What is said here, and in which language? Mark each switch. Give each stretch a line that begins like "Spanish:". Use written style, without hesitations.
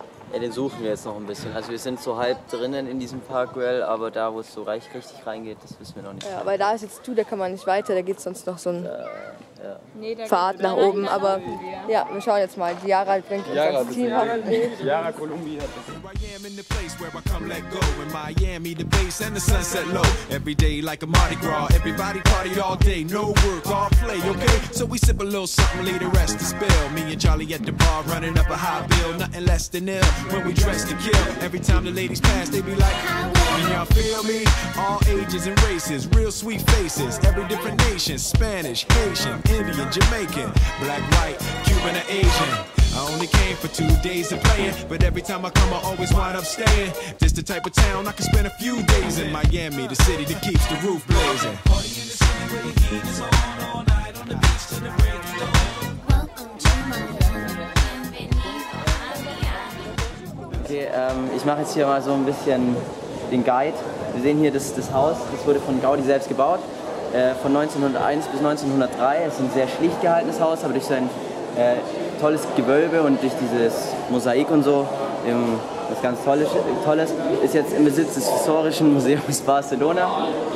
German: Ja, den suchen wir jetzt noch ein bisschen. Also wir sind so halb drinnen in diesem Park Güell, aber da, wo es so richtig reingeht, das wissen wir noch nicht. Ja, weil da ist jetzt zu, da kann man nicht weiter, da geht sonst noch so ein Pfad nach oben. Aber ja, wir schauen jetzt mal. Die Yara bringt uns das Team. Yara, Kolumbien.
English: I am in the place where I come let go. In Miami, the base and the sunset low. Every day like a Mardi Gras. Everybody party all day. No work, all play, okay? So we sip a little something, leave the rest to spill. Me and Charlie at the bar running up a high bill. Nothing less than ill when we dress to kill. Every time the ladies pass, they be like, can y'all feel me? All ages and races, real sweet faces. Every different nation, Spanish, Haitian, Indian, Jamaican, black, white, Cuban or Asian. I only came for 2 days of playing, but every time I come, I always wind up staying. This the type of town I can spend a few days in. Miami, the city that keeps the roof blazing. Party in the city where the heat is on, all night on the beach till the break of dawn.
German: Okay, ich mache jetzt hier mal so ein bisschen den Guide. Wir sehen hier das Haus, das wurde von Gaudi selbst gebaut. Von 1901 bis 1903. Es ist ein sehr schlicht gehaltenes Haus, aber durch sein tolles Gewölbe und durch dieses Mosaik und so, das ganz Tolles, ist jetzt im Besitz des Historischen Museums Barcelona.